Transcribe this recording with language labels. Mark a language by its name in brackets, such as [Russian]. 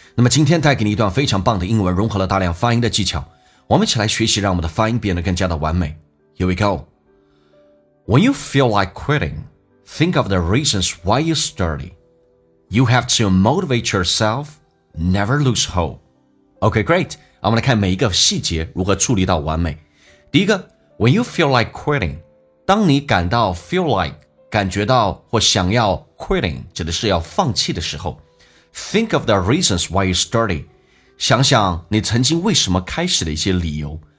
[Chinese] 那么今天带给你一段非常棒的英文，融合了大量发音的技巧，我们一起来学习，让我们的发音变得更加的完美。 [English] Here we go. When you feel like quitting, think of the reasons why you started. You have to motivate yourself, never lose hope. OK, great. [Chinese] 我们来看每一个细节如何处理到完美。第一个， [English] When you feel like quitting， [Chinese] 当你感到 [English] feel like [Chinese] 感觉到或想要 quitting， 指的是要放弃的时候。 [English] Think of the reasons why you started， [Chinese] 想想你曾经为什么开始的一些理由。